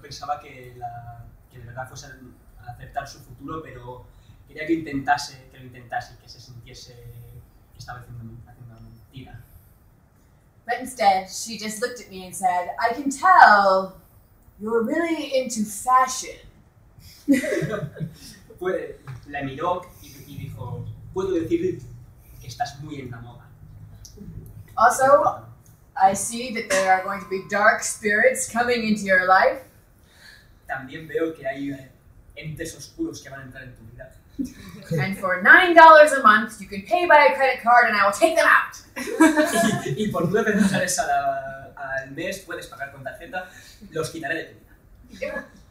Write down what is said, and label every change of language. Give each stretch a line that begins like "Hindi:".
Spanish: No pensaba que de verdad fuese a aceptar su futuro, pero quería que intentase, que lo intentase, que se sintiese que estaba haciendo una mentira.
English: But instead, she just looked at me and said, I can tell you're really into fashion.
Spanish: Pues la miró y dijo, puedo decir que estás muy en la moda.
English: Also, I see that there are going to be dark spirits coming into your life.
Spanish: También veo que hay entes oscuros que van a entrar en tu vida.
English: And for $9 a month, you can pay by a credit card and I will take them out.
Spanish: Y por $9 al mes puedes pagar con tarjeta, los quitaré de tu vida.